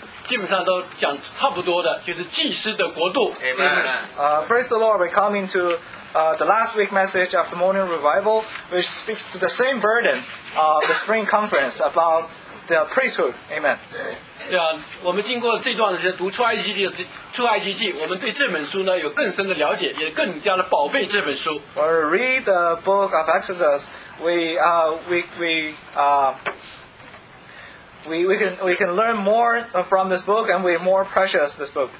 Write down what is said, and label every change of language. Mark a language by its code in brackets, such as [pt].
[zh] 愿我们继续都去做我们尽到我们祭司的职分。好，感谢主，我们今天就到了这一边的最后一篇信息。这个信息呢，跟我们的那个生气特会的内容很像，基本上都讲差不多的，就是祭司的国度。 [en] Praise the Lord, we come into the last week message of the morning revival, which speaks to the same burden of the spring conference about the priesthood. Amen. [zh] 对啊，我们经过这段时间读出埃及记，我们对这本书呢有更深的了解，也更加的宝贝这本书。 [en] When we read the book of Exodus, we can learn more from this book, and we more precious this book.